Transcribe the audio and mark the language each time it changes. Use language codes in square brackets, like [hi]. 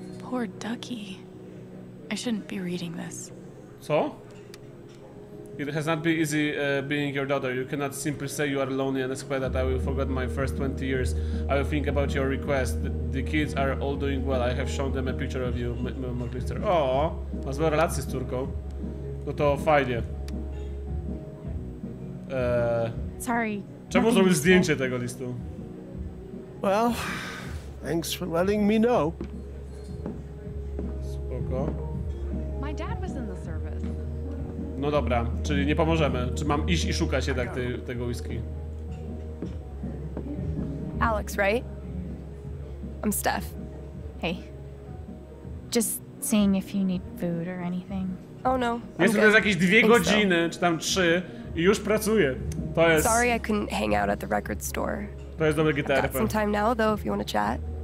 [en] Poor Ducky. I shouldn't be reading this. [pl] Co? [en] It has not been easy being your daughter. You cannot simply say you are lonely and expect that I will forget my first 20 years. I will think about your request. The kids are all doing well. I have shown them a picture of you, McLister. [pl] Oh, ma złe relacje z córką. No to fajnie. [en] Sorry. [pl] Czemu zrobił zdjęcie tego listu? [en] Well, thanks for letting me know. [pl] Spoko. [en] My dad was in the service. [pl] No dobra, czyli nie pomożemy. Czy mam iść i szukać jednak tego whisky? [en] Alex, right? I'm Steph. Hey. Just seeing if you need food or anything. Oh no. [pl] Jestem tutaj za jakieś dwie godziny, czy tam trzy, i już pracuję. To jest. [en] Sorry, I couldn't hang out at the record store. [pl] To jest dobry gitar. [en] I've got some time now, though, if you want to chat.